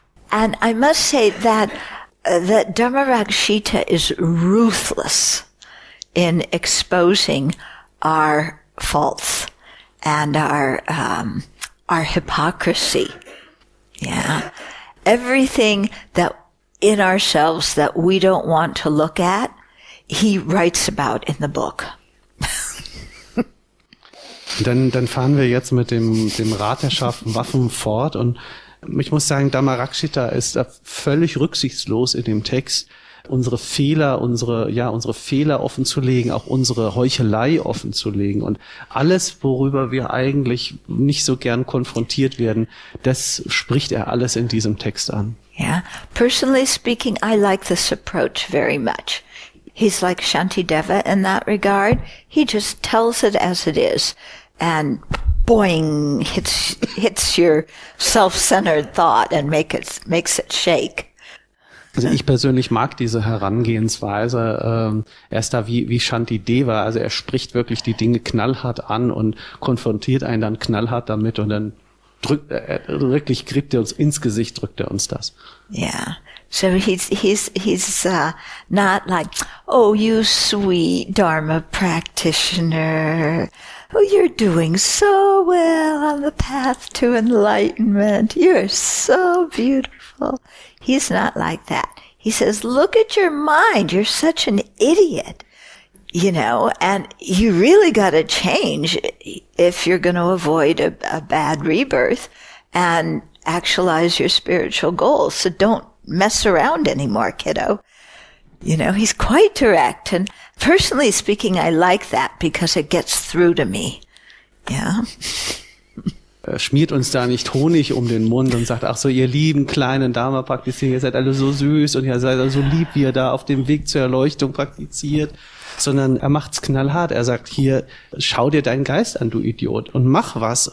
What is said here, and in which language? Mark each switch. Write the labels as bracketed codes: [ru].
[en] And I must say that Dharmarakshita is ruthless in exposing our faults and our hypocrisy. Yeah. Everything that in ourselves that we don't want to look at, he writes about in the book. [de] Dann fahren wir jetzt mit dem Rat der scharfen Waffen fort und ich muss sagen, Dharmarakshita ist da völlig rücksichtslos in dem Text. unsere Fehler, unsere Fehler offenzulegen, auch unsere Heuchelei offenzulegen und alles, worüber wir eigentlich nicht so gern konfrontiert werden, das spricht er alles in diesem Text an. [en] Yeah, personally speaking, I like this approach very much. He's like Shantideva in that regard. He just tells it as it is and boing, hits your self-centered thought and makes it shake. [de] Also ich persönlich mag diese Herangehensweise. Er ist da wie Shantideva. Also er spricht wirklich die Dinge knallhart an und konfrontiert einen dann knallhart damit und dann kriegt er uns ins Gesicht, drückt er uns das. [en] Yeah. So he's not like, oh, you sweet Dharma practitioner. Oh, you're doing so well on the path to enlightenment. You're so beautiful. He's not like that. He says, look at your mind. You're such an idiot. You know, and you really got to change if you're going to avoid a bad rebirth and actualize your spiritual goals. So don't mess around anymore, kiddo. You know, he's quite direct. And personally speaking, I like that because it gets through to me. Yeah. [de] Er schmiert uns da nicht Honig um den Mund und sagt, ach so, ihr lieben kleinen Dharma-Praktizierer, ihr seid alle so süß und ihr seid so lieb, wie ihr da auf dem Weg zur Erleuchtung praktiziert. Sondern er macht's knallhart. Er sagt, hier, schau dir deinen Geist an, du Idiot, und mach was.